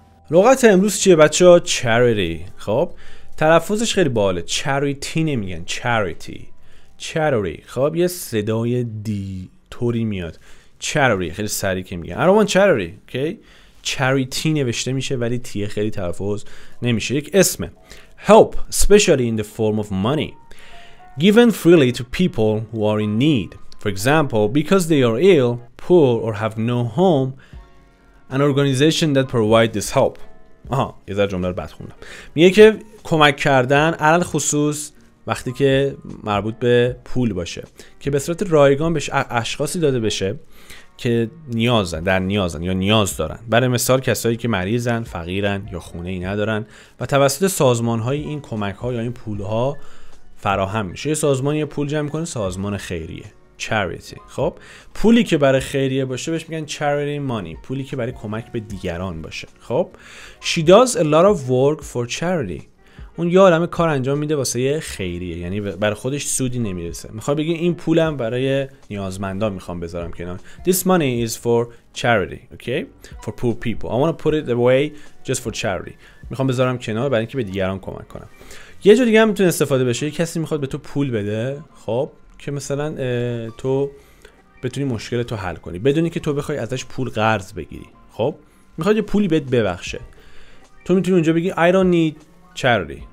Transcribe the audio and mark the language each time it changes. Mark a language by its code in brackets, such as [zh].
[fa] لغت امروز چیه بچه ها؟ charity. خب تلفظش خیلی باله، charity نمیگن، charity. [en] charity. [fa] خب یه صدای دی طوری میاد، charity خیلی سریع که میگن ارومان charity. اوکی؟ charity نوشته میشه ولی تیه خیلی تلفظ نمیشه. یک اسمه. [en] help especially in the form of money given freely to people who are in need. For example, because they are ill, poor or have no home, an organization that provide this help. [fa] آها، یه ذره جمله رو بد خوندم. میگه که کمک کردن علل خصوص وقتی که مربوط به پول باشه، که به صورت رایگان به اشخاصی داده بشه که نیازن، در نیازن یا نیاز دارن. برای مثال کسایی که مریضن، فقیرن یا خونه ای ندارن و توسط سازمان‌های این کمک‌ها یا این پول‌ها فراهم میشه. یه سازمان یه پول جمع می‌کنه، سازمان خیریه، charity. خب پولی که برای خیریه باشه بهش میگن charity money، پولی که برای کمک به دیگران باشه. [en] خب she does a lot of work for charity. [fa] اون یه عالمه کار انجام میده واسه یه خیریه، یعنی برای خودش سودی نمیرسه. میخوام بگم این پولم برای نیازمندا میخوام بذارم کنار. [en] This money is for charity, okay? For poor people. I want to put it away just for charity. [fa] میخوام بذارم کنار برای اینکه به دیگران کمک کنم. یه جور دیگه هم میتونه استفاده بشه. یه کسی میخواد به تو پول بده، خب، که مثلا تو بتونی مشکل تو حل کنی، بدونی که تو بخوای ازش پول قرض بگیری. خب میخواد یه پولی بهت ببخشه. تو میتونی اونجا بگی [en] I don't need charity.